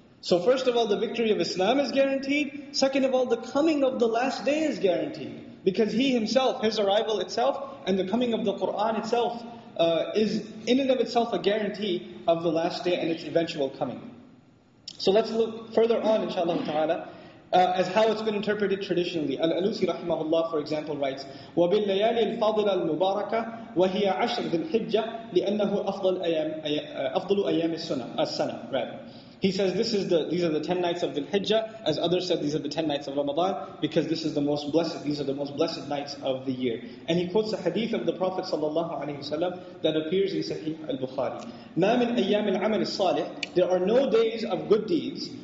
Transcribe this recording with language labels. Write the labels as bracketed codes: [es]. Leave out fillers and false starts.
[en] So first of all, the victory of Islam is guaranteed. Second of all, the coming of the last day is guaranteed. Because he himself, his arrival itself, and the coming of the Qur'an itself, is in and of itself a guarantee of the last day and its eventual coming. So let's look further on, inshallah ta'ala, as how it's been interpreted traditionally. Al-Alusi rahimahullah, for example, writes, [ar] وَبِاللَّيَالِ الْفَاضِلَ الْمُبَارَكَةِ وَهِيَ عَشْرِ ذِلْحِجَّةِ لِأَنَّهُ أَفْضَلُ أَيَامِ السَّنَةِ [en] Right. He says, these are the 10 nights of Dhul-Hijjah. As others said, these are the 10 nights of Ramadan, because this is the most blessed, these are the most blessed nights of the year. And he quotes a hadith of the Prophet sallallahu alaihi wasallam that appears in Sahih al-Bukhari. [ar] مَا مِنْ أَيَّامِ الْعَمَلِ الصَّالِحِ [en] There are no days of good deeds.